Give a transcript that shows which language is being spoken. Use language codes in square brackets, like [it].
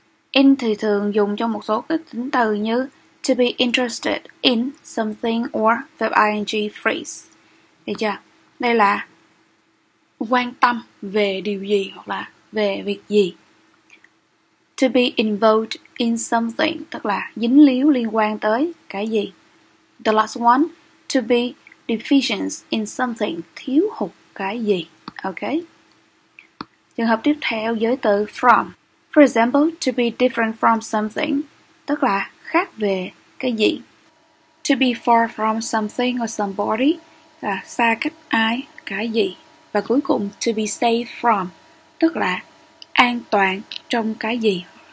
[vi] In thì thường dùng trong một số cái tính từ như [en] to be interested in something or verb ing phrase. [vi] Được chưa? Đây là quan tâm về điều gì hoặc là về việc gì. [en] To be involved in something, [vi] tức là dính líu liên quan tới cái gì. [en] The last one, to be deficient in something, [vi] thiếu hụt cái gì. Ok. Trường hợp tiếp theo giới từ from. [en] For example, to be different from something, [vi] tức là khác về cái gì. [en] To be far from something or somebody, [vi] là xa cách ai, cái gì. Và cuối cùng, [en] to be safe from, [vi] tức là an toàn trong cái gì.